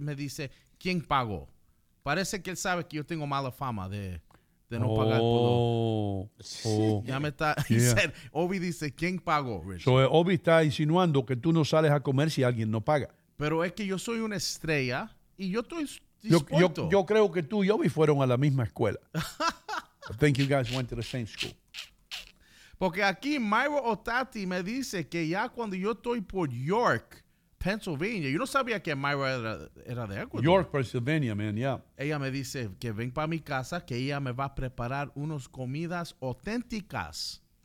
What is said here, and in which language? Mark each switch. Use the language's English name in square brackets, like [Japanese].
[Spanish] Me dice, ¿quién pagó? Parece que él sabe que yo tengo mala fama de no pagar todo. Oh. Ya me está... Yeah. Ovi dice, ¿quién pagó, Rich? So, Ovi está insinuando que tú no sales a comer si alguien no paga. Pero es que yo soy una estrella y yo estoy... Yo creo que tú y Ovi fueron a la misma escuela. [English] I think you guys went to the same school. [Spanish] Porque aquí Myro Otati me dice que ya cuando yo estoy por York, Pennsylvania, yo no sabía que Myro era de Ecuador. [English] York, Pennsylvania, man, yeah. [Spanish] Ella me dice que ven para mi casa, que ella me va a preparar unas comidas auténticas.